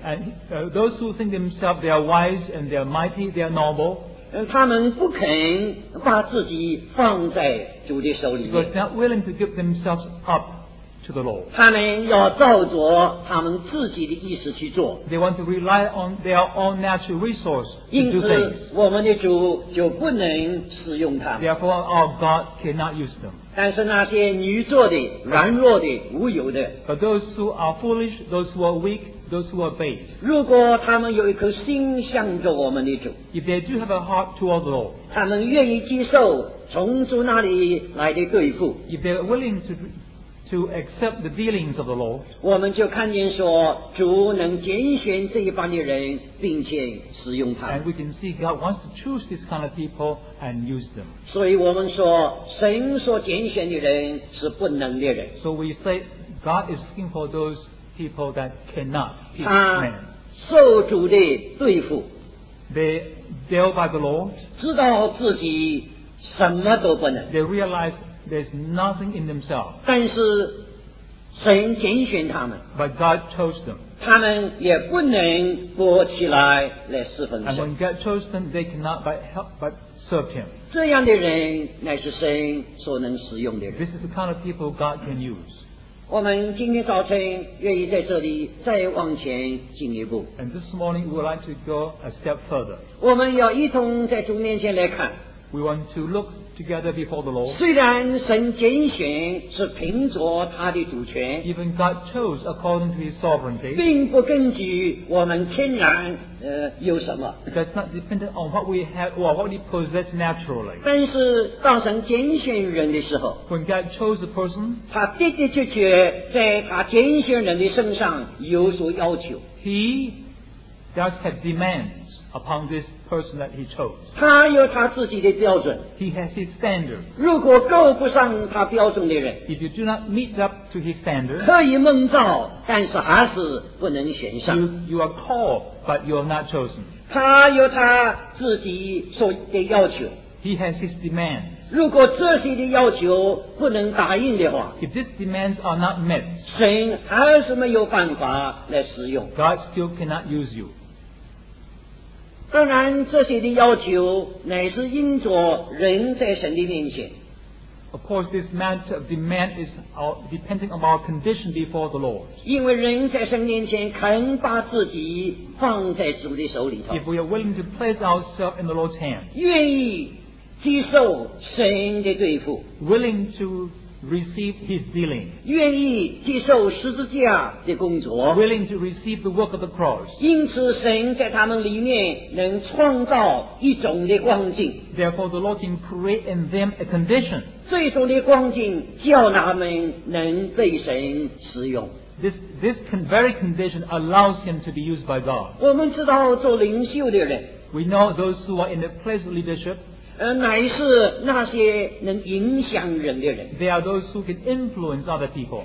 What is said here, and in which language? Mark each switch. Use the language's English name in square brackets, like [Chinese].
[English] And those who think themselves they are wise and they are mighty, they are noble. [Chinese] 他们不肯把自己放在主的手里面。 [English] Because they are not willing to give themselves up. To the Lord. [Chinese] 他们要照着他们自己的意思去做。 [English] They want to rely on their own natural resource to do things. [Chinese] 因此，我们的主就不能使用他们。 [English] Therefore, our God cannot use them. [Chinese] 但是那些愚拙的、软弱的、无有的。 [English] But those who are foolish, those who are weak, those who are base. [Chinese] 如果他们有一颗心向着我们的主。 [English] If they do have a heart toward the Lord. [Chinese] 他们愿意接受从主那里来的对付。 [English] If they are willing to accept the dealings of the Lord, [Chinese] 我们就看见说主能拣选这一般的人并且使用他们。 [English] And we can see God wants to choose this kind of people and use them. [Chinese] 所以我们说神所拣选的人是不能的人。 [English] So we say God is looking for those people that cannot keep men. [Chinese] 受主的对付。 [English] They dealt by the Lord. [Chinese] 知道自己什么都不能。 [English] They realize There's nothing in themselves. [Chinese] 但是神拣选他们。 [English] But God chose them. [Chinese] 他们也不能躲起来来侍奉神。 [English] And when God chose them, they cannot but serve him. [Chinese] 这样的人乃是神所能使用的人。 [English] This is the kind of people God can use. [Chinese] 我们今天早晨愿意在这里再往前进一步。 [English] And this morning we'd like to go a step further. [Chinese] 我们要一同在主面前来看。 [English] We want to look together before the Lord. [Chinese] 虽然神拣选是凭着他的主权， [English] Even God chose according to his sovereignty. [Chinese] 并不根据我们天然有什么。 [English] That's not dependent on what we have or what we possess naturally. [Chinese] 但是当神拣选人的时候， [English] When God chose the person, [Chinese] 他的的确确在他拣选人的身上有所要求。 [English] He does have demands upon this person that he chose. [Chinese] 他有他自己的标准。 [English] He has his standard. [Chinese] 如果够不上他标准的人。 [English] If you do not meet up to his standard. [Chinese] 可以蒙召，但是还是不能选上。 [English] You are called, but you are not chosen. [Chinese] 他有他自己所的要求。 [English] He has his demand. [Chinese] 如果这些的要求不能答应的话。 [English] If these demands are not met. [Chinese] 神还是没有办法来使用。 [English] God still cannot use you. [Chinese] 当然这些的要求乃是因着人在神的面前。 [English] Of course, this matter of demand is our, depending on our condition before the Lord. [Chinese] 因为人在神面前肯把自己放在主的手里头。 [English] If we are willing to place ourselves in the Lord's hand, [Chinese] 愿意接受神的对付。 [English] Willing to receive His dealing. [Chinese] 愿意接受十字架的工作。 [English] Willing to receive the work of the cross. [Chinese] 因此神在他们里面能创造一种的光景。 [English] Therefore, the Lord can create in them a condition. [Chinese] 这种的光景叫他们能被神使用。 [English] This very condition allows him to be used by God. [Chinese] 我们知道做领袖的人。 [English] We know those who are in the place of leadership. [Chinese] 乃是那些能影响人的人。 [English] They are those who can influence other people.